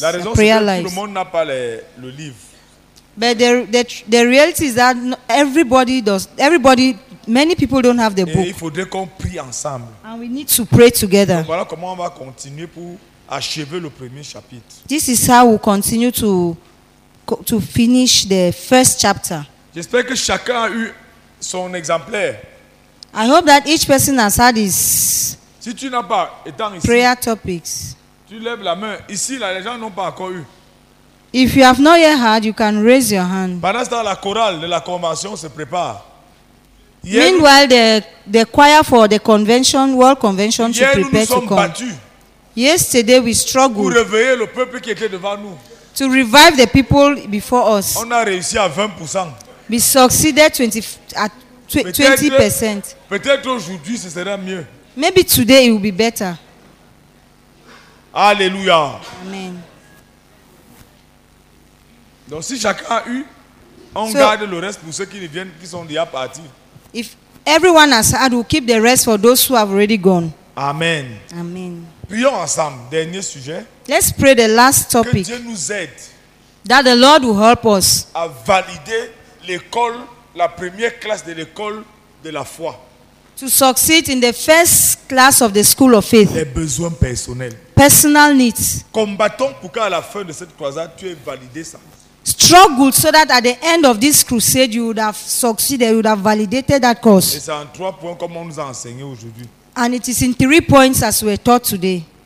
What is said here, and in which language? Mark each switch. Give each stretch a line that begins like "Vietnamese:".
French: La raison c'est que tout le monde n'a pas le livre.
English: But the reality is that everybody does. Many people don't have the book.
French: Et il faudrait qu'on prie ensemble.
English: And we need to pray together.
French: Donc voilà comment on va continuer pour achever le premier chapitre.
English: This is how we continue to finish the first chapter.
French: J'espère que chacun a eu son exemplaire.
English: I hope that each person has had his
French: si tu n'as pas, étant ici,
English: prayer topics.
French: Tu lèves la main. Ici, là, les gens n'ont pas encore eu.
English: If you have not yet had, you can raise your hand.
French: Pendant ce temps, la chorale de la convention se prépare.
English: Meanwhile, the choir for the convention, world convention,
French: hier,
English: to prepare
French: nous nous
English: to come.
French: Battus.
English: Yesterday we struggled
French: pour réveiller le peuple qui était devant nous.
English: To revive the people before us.
French: On a réussi à 20%.
English: We succeeded 20, at 20%.
French: Peut-être aujourd'hui ce sera mieux.
English: Maybe today it will be better. Alléluia. Amen.
French: Donc si chacun a eu, on so, garde le reste pour ceux qui viennent, qui sont déjà partis.
English: If everyone has had, we'll keep the rest for those who have already gone. Amen. Amen.
French: Prions ensemble. Dernier sujet.
English: Let's pray the last topic.
French: Que Dieu nous aide.
English: That the Lord will help us.
French: À valider l'école, la première classe de l'école de la foi.
English: To succeed in the first class of the school of faith.
French: Les besoins personnels.
English: Personal needs.
French: Combattons pour qu'à la fin de cette croisade, tu aies validé ça.
English: Struggled so that at the end of this crusade, you would have succeeded, you would have validated that cause.
French: Et c'est en trois points comme on nous a enseigné aujourd'hui.
English: And it is in 3 points as we're taught today.